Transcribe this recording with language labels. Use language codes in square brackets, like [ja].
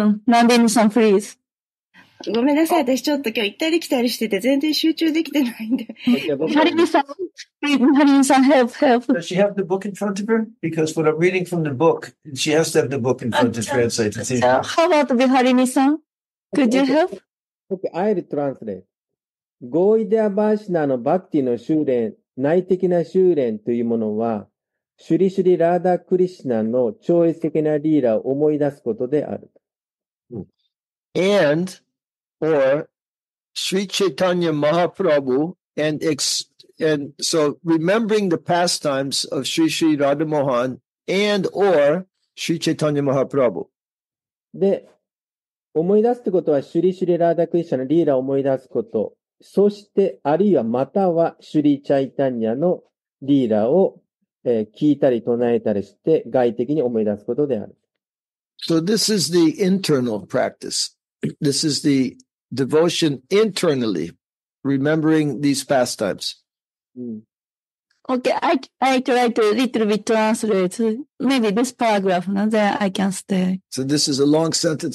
[ja] ごめんなさい、私ちょっと今日行ったり来たりしてて全然集中できてないんで。 [en] Marin-san, help, help. Does she have the book in front of her? Because when I'm reading from the book, she has to have the book in front to translate. How about Viharini-san? Could you help? Okay, I'll translate. [ja] ゴイデアバーシナのバクティの修練、内的な修練というものは、シュリシュリラーダ・クリシナの超越的なリーラを思い出すことである。 [en] And, or, Sri Chaitanya Mahaprabhu, and so remembering the pastimes of Sri Sri Radha Mohan, and, or, Sri Chaitanya Mahaprabhu. [ja] で、思い出すってことは、シュリシュリラーダ・クリシナのリーラを思い出すこと。そして、あるいは、または、シュリー・チャイタニアのリーラを、聞いたり唱えたりして、外的に思い出すことである。 [en] So this is the internal practice. This is the devotion internally, remembering these pastimes.、 Mm. Okay, I try to a little bit translate. Maybe this paragraph, and then I can stay. So this is a long sentence.